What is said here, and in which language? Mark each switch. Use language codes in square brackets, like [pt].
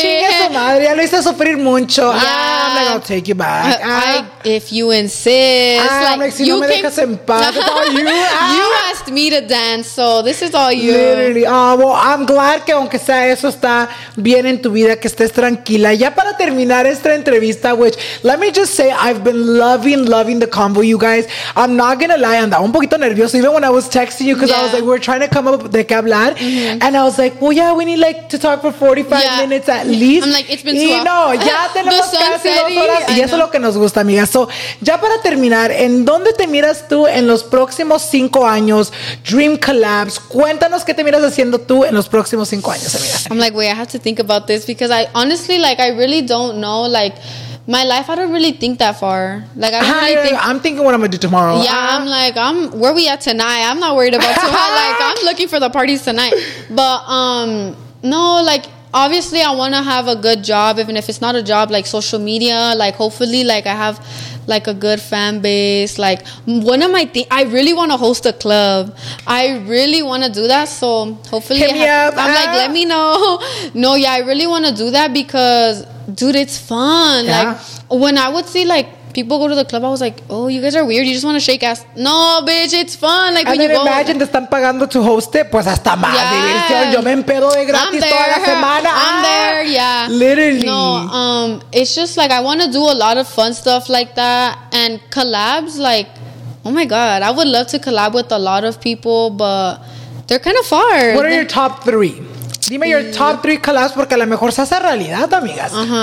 [es] Chinga su madre, ya lo hice sufrir mucho. [en] I'm like, I'll take you back. If you insist. [es] Like, si you no me dejas en paz, [en] it's all you. You asked me to dance, so this is all you. Literally. Oh, well, I'm glad [es] que aunque sea eso está bien en tu vida, que estés tranquila. Ya para terminar esta entrevista, [en] which, let me just say, I've been loving the convo, you guys. I'm not gonna lie, [es] andaba un poquito nervioso, [en] even when I was texting you, because I was like, we're trying to come up [es] de qué hablar. [en] Mm-hmm. And I was like, well, yeah, we need, like, to talk for 45 minutes at least. I'm like, it's been [es] y no, ya tenemos casi 2 horas. Y eso es lo que nos gusta, amiga. So, ya para terminar, ¿en dónde te miras tú en los próximos 5 años? [en] Dream collabs. [es] Cuéntanos qué te miras haciendo tú en los próximos 5 años, amiga. [en] I'm like, wait, I have to think about this, because I honestly, like, I really don't know, like, my life, I don't really think that far. Like, I'm thinking what I'm gonna do tomorrow. Yeah, I'm like, where we at tonight? I'm not worried about tomorrow. Like, I'm looking for the parties tonight. But no, like, obviously I want to have a good job, even if it's not a job, like social media, like hopefully like I have like a good fan base. Like one of my things, I really want to host a club. I really want to do that. So hopefully I'm like, let me know. No, yeah, I really want to do that because dude, it's fun. Yeah. Like when I would see like people go to the club, I was like, oh, you guys are weird. You just want to shake ass. No, bitch, it's fun. Like, and then you go, [es] imagine, te están pagando [en] to host it. [es] Pues hasta más. Yeah. Diversión. Yo me empedo de gratis toda la semana. [en] I'm there, yeah. Literally. No, it's just like, I want to do a lot of fun stuff like that. And collabs, like, oh my God. I would love to collab with a lot of people, but they're kind of far. What are your top three? Dime your top three collabs, [es] porque a lo mejor se hace realidad, amigas.